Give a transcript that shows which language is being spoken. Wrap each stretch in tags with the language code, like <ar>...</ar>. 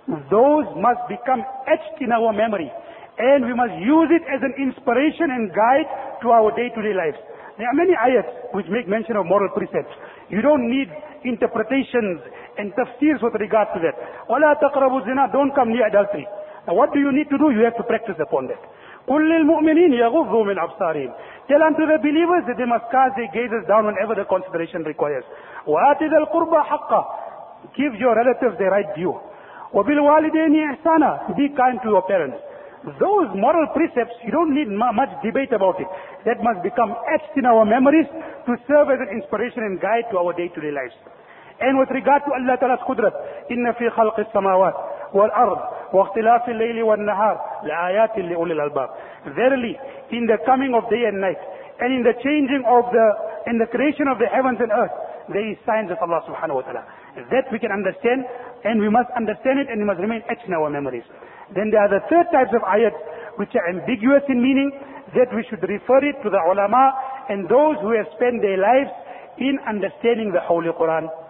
<en>Those must become etched in our memory. And we must use it as an inspiration and guide to our day-to-day lives. There are many ayats which make mention of moral precepts. You don't need interpretations and tafsirs with regard to that.</en> <ar>وَلَا تَقْرَبُوا الزِّنَا.</ar> <en>Don't come near adultery. Now what do you need to do? You have to practice upon that.</en> <ar>قل للمؤمنين يغضوا من أبصارهم.</ar> <en>Tell unto the believers that they must cast their gazes down whenever the consideration requires.</en> <ar>وآتِ ذا القربى حقه.</ar> <en>Give your relatives the right view.</en> <ar>وبالوالدين إحسانا.</ar> <en>Be kind to your parents. Those moral precepts, you don't need much debate about it. That must become etched in our memories to serve as an inspiration and guide to our day-to-day lives. And with regard to Allah Ta'ala's Qudrat,</en> <ar>إِنَّ فِي خَلْقِ السَّمَاوَاتِ وَالْأَرْضِ وَاخْتِلَافِ اللَّيْلِ وَالنَّهَارِ لَآيَاتٍ لِأُولِي الْأَلْبَابِ.</ar> <en>Verily, in the coming of day and night, and in the changing of the, in the creation of the heavens and earth, there is signs of Allah Subhanahu Wa Ta'ala. That we can understand, and we must understand it, and we must remain etched in our memories. Then there are the third types of ayat which are ambiguous in meaning, that we should refer it to the ulama and those who have spent their lives in understanding the Holy Quran.</en>